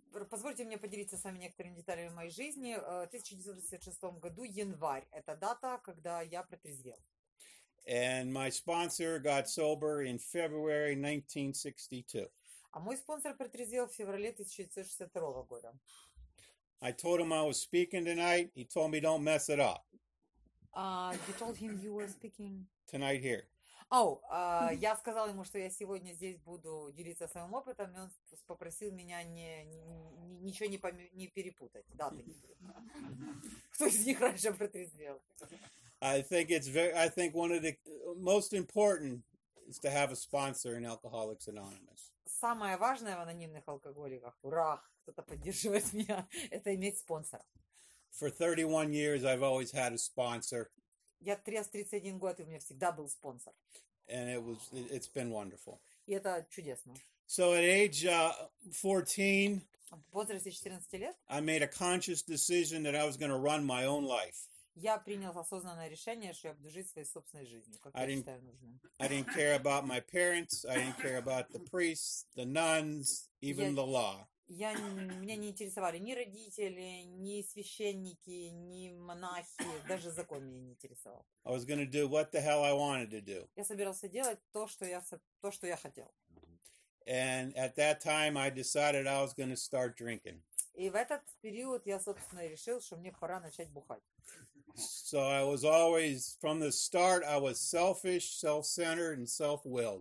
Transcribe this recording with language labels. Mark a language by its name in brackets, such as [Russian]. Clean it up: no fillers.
[Russian] Позвольте мне поделиться с вами некоторыми деталями моей жизни. В 1986 году, январь, это дата, когда я протрезвел. [English] And my sponsor got sober in February 1962. [Russian] А мой спонсор протрезвел в феврале 1962 года. [English] I told him I was speaking tonight. He told me don't mess it up. You told him you were speaking... Tonight here. [Russian] Oh, я сказал ему, что я сегодня здесь буду делиться своим опытом, и он попросил меня ничего не перепутать. Даты. Кто из них раньше протрезвел? [English] I think one of the most important is to have a sponsor in Alcoholics Anonymous. [Russian] Самое важное в анонимных алкоголиках, ура, кто-то поддерживает меня, это иметь спонсора. [English] For 31 years I've always had a sponsor. [Russian] Я 31 год, и у меня всегда был спонсор. [English] And it's been wonderful. [Russian] И это чудесно. [English] So at age 14, [Russian] в возрасте 14 лет, [English] I made a conscious decision that I was going to run my own life. [Russian] Я принял осознанное решение, что я буду жить своей собственной жизнью, как я считаю нужным. [English] I didn't care about my parents, I didn't care about the priests, the nuns, even the law. [Russian] Меня не интересовали ни родители, ни священники, ни монахи, даже закон меня не интересовал. [English] I was going to do what the hell I wanted to do. [Russian] Я собирался делать то, что я хотел. [English] And at that time I decided I was going to start drinking. [Russian] И в этот период я, собственно, решил, что мне пора начать бухать. [English] So I was always, from the start, I was selfish, self-centered, and self-willed.